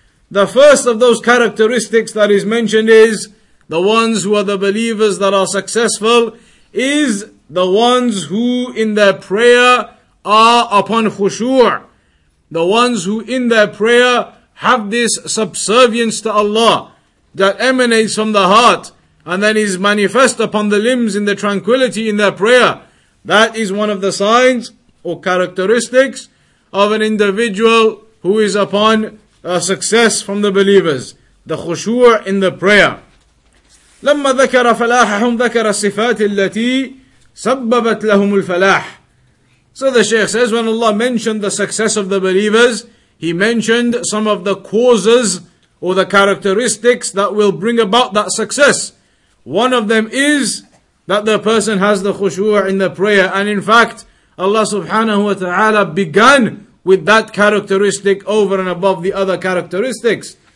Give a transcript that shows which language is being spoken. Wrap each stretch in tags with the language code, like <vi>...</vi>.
<en>The first of those characteristics that is mentioned is the ones who are the believers that are successful is the ones who in their prayer are upon khushu', the ones who in their prayer have this subservience to Allah that emanates from the heart and then is manifest upon the limbs in the tranquility in their prayer. That is one of the signs or characteristics of an individual who is upon a success from the believers, the khushu' in the prayer.</en> <ar>لما ذكر فلاحهم ذكر الصفات التي سببت لهم الفلاح.</ar> <en>So the Shaykh says, when Allah mentioned the success of the believers, he mentioned some of the causes or the characteristics that will bring about that success. One of them is that the person has the khushu' in the prayer. And in fact, Allah subhanahu wa ta'ala began with that characteristic over and above the other characteristics.</en>